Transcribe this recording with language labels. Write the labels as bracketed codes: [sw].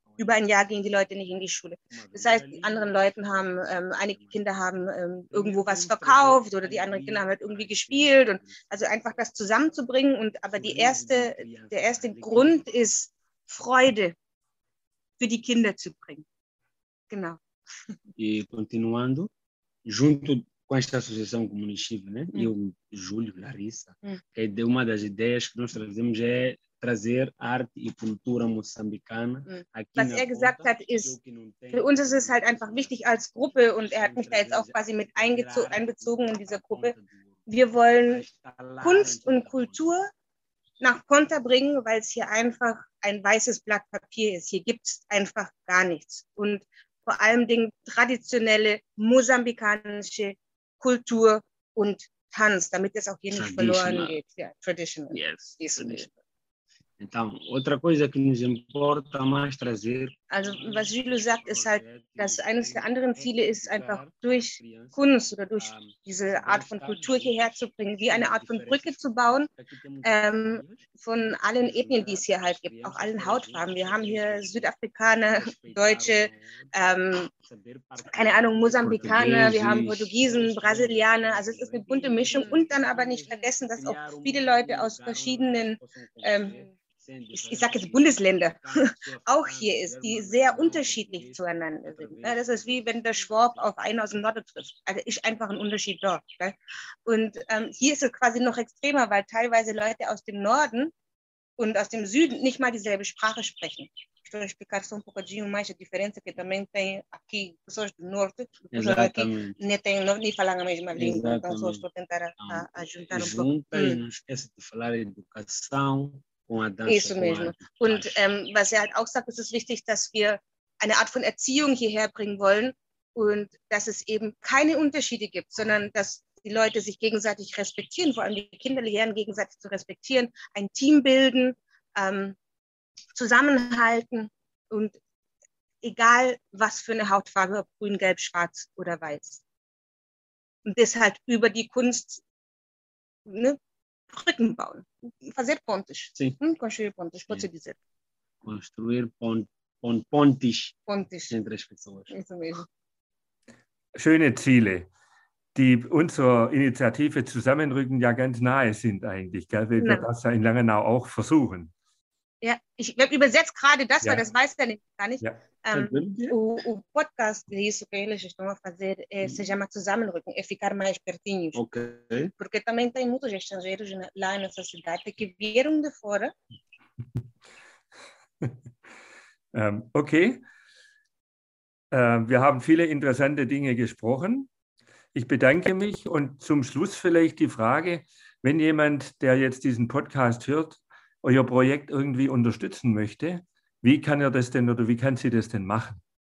[de] Über ein Jahr gehen die Leute nicht in die Schule. Das heißt, die anderen Leute haben, einige Kinder haben irgendwo was verkauft oder die anderen Kinder haben halt irgendwie gespielt. Und also einfach das zusammenzubringen. Und aber der erste Grund ist, Freude für die Kinder zu bringen. Genau. [pt] E continuando, junto com esta associação com o município, né? Eu, Júlio, Larissa, é uma das ideias que nós trazemos é trazer arte e cultura moçambicana aqui. [de] Was er gesagt hat, ist, für uns ist es halt einfach wichtig als Gruppe und er hat mich da jetzt auch quasi mit einbezogen in dieser Gruppe. Wir wollen Kunst und Kultur nach Ponta bringen, weil es hier einfach ein weißes Blatt Papier ist. Hier gibt es einfach gar nichts. Und vor allem Dingen traditionelle mosambikanische Kultur und Tanz, damit das auch hier nicht verloren geht. [en] Ja, traditional. Yes. [pt] Então, outra coisa que nos importa mais trazer. [de] Also, was Julio sagt, ist halt, dass eines der anderen Ziele ist, einfach durch Kunst oder durch diese Art von Kultur hierher zu bringen, wie eine Art von Brücke zu bauen, von allen Ethnien, die es hier halt gibt, auch allen Hautfarben. Wir haben hier Südafrikaner, Deutsche, keine Ahnung, Mosambikaner, wir haben Portugiesen, Brasilianer, also es ist eine bunte Mischung und dann aber nicht vergessen, dass auch viele Leute aus verschiedenen ich sage jetzt Bundesländer, auch hier ist, die sehr unterschiedlich zueinander sind. Das ist wie wenn der Schwab auf einen aus dem Norden trifft. Also ist einfach ein Unterschied dort. Und hier ist es quasi noch extremer, weil teilweise Leute aus dem Norden und aus dem Süden nicht mal dieselbe Sprache sprechen. Ich würde [pt] explicar um pouquinho mais a diferença que também tem aqui pessoas do norte, pessoas aqui nem falam a mesma língua, então só estou a tentar juntar um pouco. E não esquece de falar educação. Isso mesmo. Und was er halt auch sagt, es ist wichtig, dass wir eine Art von Erziehung hierher bringen wollen und dass es eben keine Unterschiede gibt, sondern dass die Leute sich gegenseitig respektieren, vor allem die Kinder lernen, gegenseitig zu respektieren, ein Team bilden, zusammenhalten und egal was für eine Hautfarbe, ob grün, gelb, schwarz oder weiß. Und das halt über die Kunst, ne? [de] Brücken bauen. [pt] Fazer pontes. Construir pontes, pode ser dizer. Construir pontes. Pontes. Entre as pessoas. Isso mesmo. [de] Schöne Ziele, die unserer Initiative Zusammenrücken ja ganz nahe sind eigentlich, gell? Wir werden das ja in Langenau auch versuchen. Ja, ich übersetze gerade das, weil das weiß er nicht, gar nicht. Ja. [pt] O podcast de isso que eles estão a fazer se chama Zusammenrücken, é ficar mais pertinhos. Okay. Porque também tem muitos estrangeiros lá nessa cidade que vieram de fora. okay. [de] Wir haben viele interessante Dinge gesprochen. Ich bedanke mich und zum Schluss vielleicht die Frage, wenn jemand, der jetzt diesen Podcast hört, euer Projekt irgendwie unterstützen möchte, wie kann er das denn oder wie kann sie das denn machen?